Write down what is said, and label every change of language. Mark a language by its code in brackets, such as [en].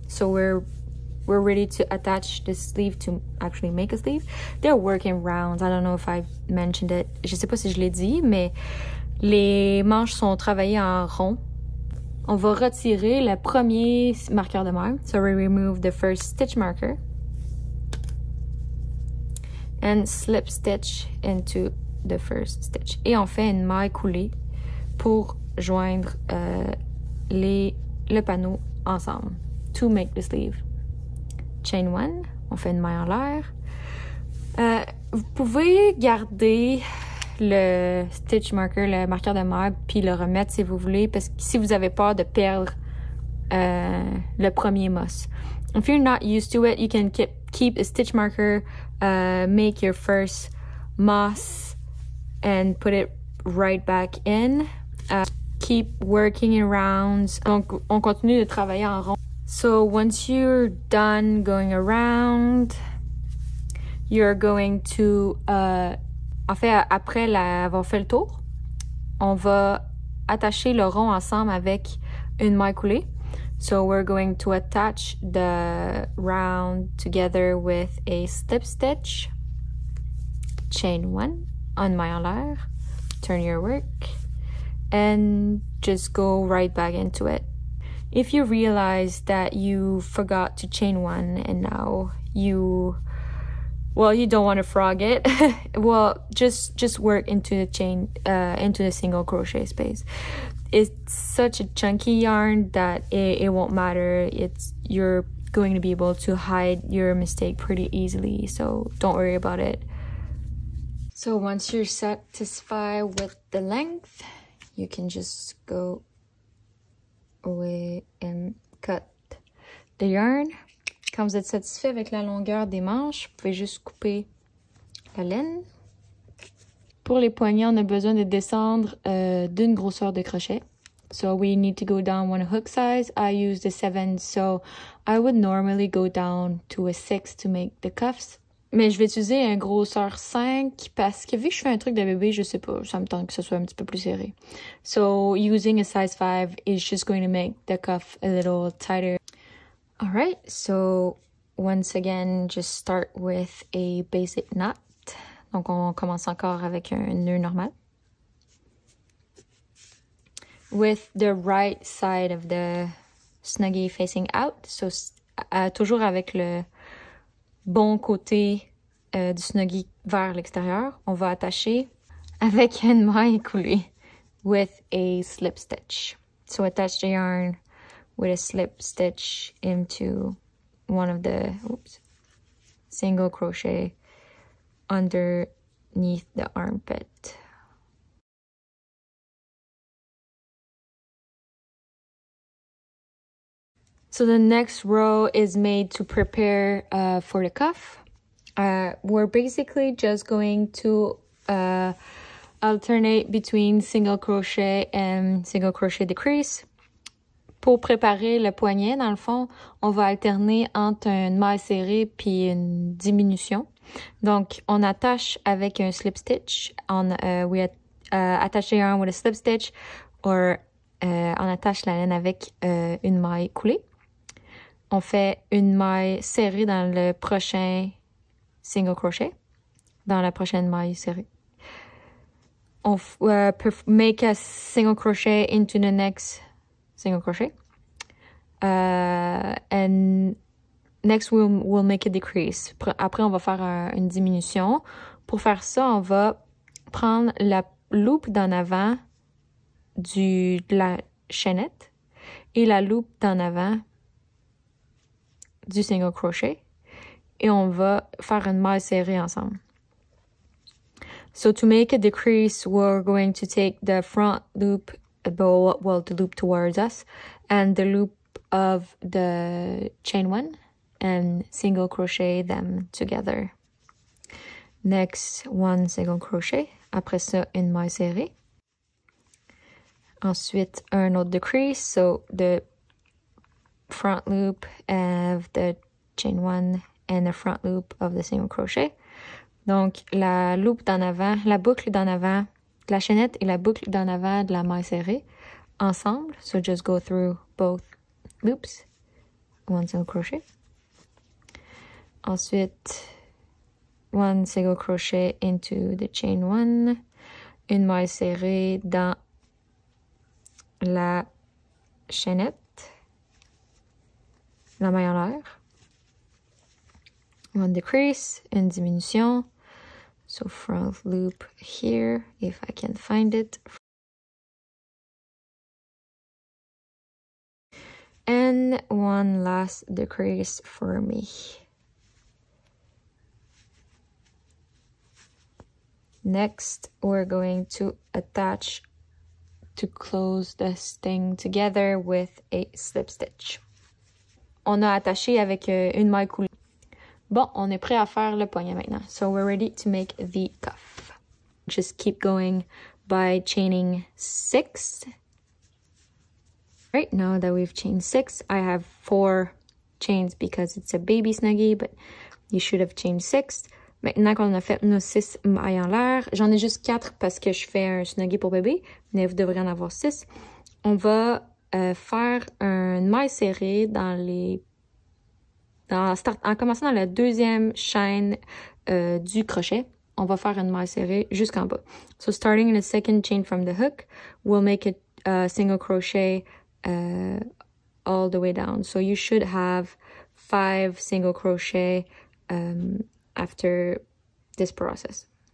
[en] So we're ready to attach the sleeve to actually make a sleeve. They're working rounds. I don't know if I mentioned it. [fr] Je sais pas si je l'ai dit, mais les manches sont travaillées en rond. On va retirer le premier marqueur de maille. [en] So we remove the first stitch marker. And slip stitch into the first stitch. [fr] Et on fait une maille coulée pour joindre le panneau ensemble. [en] To make the sleeve. Chain one. [fr] On fait une maille en l'air. Vous pouvez garder le stitch marker, le marqueur de maille, puis le remettre si vous voulez, parce que si vous avez peur de perdre le premier mousse. [en] If you're not used to it, you can keep a stitch marker, make your first mousse, and put it right back in. Keep working in rounds. [fr] Donc, on continue de travailler en rond. [en] So, once you're done going around, you're going to [fr] en fait, après avoir fait le tour, on va attacher le rond ensemble avec une maille coulée. [en] So we're going to attach the round together with a slip stitch. Chain one, [fr] une maille en l'air. [en] Turn your work and just go right back into it. If you realize that you forgot to chain one and now you... Well, you don't want to frog it. Well, just work into the chain, into the single crochet space. It's such a chunky yarn that it won't matter. You're going to be able to hide your mistake pretty easily. So don't worry about it. So once you're satisfied with the length, you can just go away and cut the yarn. [fr] Quand vous êtes satisfait avec la longueur des manches, vous pouvez juste couper la laine. Pour les poignets, on a besoin de descendre d'une grosseur de crochet. [en] So we need to go down one hook size. I use the 7, so I would normally go down to a 6 to make the cuffs. [fr] Mais je vais utiliser un grosseur 5 parce que vu que je fais un truc de bébé, je sais pas, ça me tente que ce soit un petit peu plus serré. [en] So using a size 5 is just going to make the cuff a little tighter. All right, so once again, just start with a basic knot. [fr] Donc, on commence encore avec un nœud normal. [en] With the right side of the snuggy facing out. [fr] So, toujours avec le bon côté du snuggy vers l'extérieur. On va attacher avec une maille coulée. [en] With a slip stitch. So, attach the yarn with a slip stitch into one of the single crochet underneath the armpit. So the next row is made to prepare for the cuff. We're basically just going to alternate between single crochet and single crochet decrease. [fr] Pour préparer le poignet, dans le fond, on va alterner entre une maille serrée puis une diminution. Donc, on attache avec un slip stitch. Attaché un [en] with a slip stitch or [fr] on attache la laine avec une maille coulée. On fait une maille serrée dans le prochain single crochet, dans la prochaine maille serrée. [en] On make a single crochet into the next single crochet. And next we'll make a decrease. [fr] Après, on va faire une diminution. Pour faire ça, on va prendre la loupe d'en avant de la chaînette et la loupe d'en avant du single crochet et on va faire une maille serrée ensemble. [en] So to make a decrease, we're going to take the front loop, the loop towards us, and the loop of the chain one and single crochet them together. Next, one single crochet. [fr] Après ça, une maille serrée. Ensuite, un autre decrease. [en] So, the front loop of the chain one and the front loop of the single crochet. [fr] Donc, la loupe d'en avant, la boucle d'en avant, la chaînette et la boucle d'en avant de la maille serrée ensemble. [en] So, just go through both loops. One single crochet. [fr] Ensuite, [en] one single crochet into the chain one, [fr] une maille serrée dans la chaînette, la maille en l'air, [en] one decrease, [fr] une diminution, [en] so front loop here, if I can find it, and one last decrease for me. Next, we're going to attach to close this thing together with a slip stitch. [fr] On a attaché avec une maille coulée. Bon, on est prêt à faire le poignet maintenant. [en] So we're ready to make the cuff. Just keep going by chaining six. Right, now that we've chained six, I have four chains because it's a baby snuggy, but you should have chained six. [fr] Maintenant qu'on a fait nos 6 mailles en l'air, j'en ai juste 4 parce que je fais un snuggy pour bébé, mais vous devriez en avoir 6. On va faire une maille serrée en commençant dans la deuxième chaîne du crochet. On va faire une maille serrée jusqu'en bas. [en] So starting in the second chain from the hook, we'll make it a single crochet all the way down. So you should have 5 single crochet after this process.